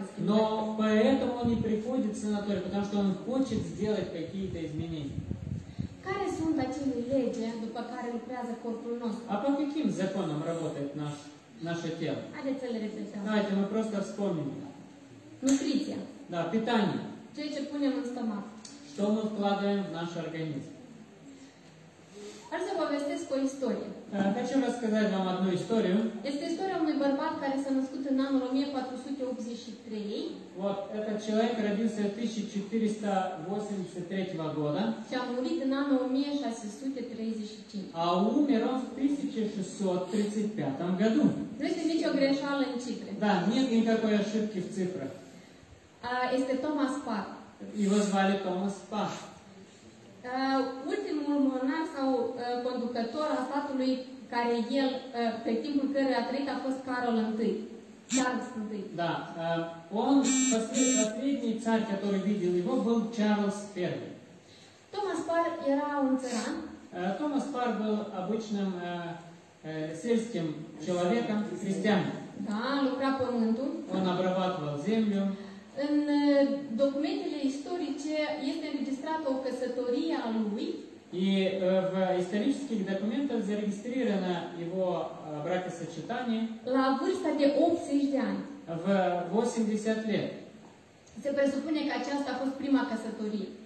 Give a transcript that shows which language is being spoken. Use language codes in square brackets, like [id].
[ru] Но поэтому он не приходит в санаторий, потому что он хочет сделать какие-то изменения. [ro] Care sunt acele legi după care lucrează corpul nostru? [ru] А по каким законам работает наше тело? [ro] Haideți să le repetăm. [ru] Давайте мы просто вспомним. [ro] Nutriția. [ru] Да, питание. [ro] Ceea ce punem în stomac. [ru] Что мы вкладываем в наш организм? [ro] Aș să povestesc o istorie. [ru] Хочу рассказать вам одну историю. [ro] Este istoria unui bărbat care s-a născut în anul 1483. [ru] Вот, этот человек родился в 1483 года. [ro] Și a murit în anul 1635. [ru] А умер он в 1635 году. [ro] Nu este nicio greșeală în cifre. [ru] Да, нет никакой ошибки в цифрах. [ro] Este Thomas Parr. [ru] Его звали Thomas Parr. [ro] Ultimul monar sau conducător al statului care el, pe timpul căruia a trăit, a fost Carol I. Charles I. Da. [ru] Он, последний царь, который видел его, был Charles I. [ro] Thomas Parr era un țăran. [ru] Thomas Parr был обычным сельским человеком, крестьянином. [ro] Da, lucra pământul. [ru] Он обрабатывал землю. [ro] În documentele istorice este înregistrată o căsătorie a lui. [ru] И в исторических документах зарегистрировано его бракосочетание. [ro] La vârsta de 80 de ani. [ru] В 80 лет. [ro] Se presupune că aceasta a fost prima căsătorie.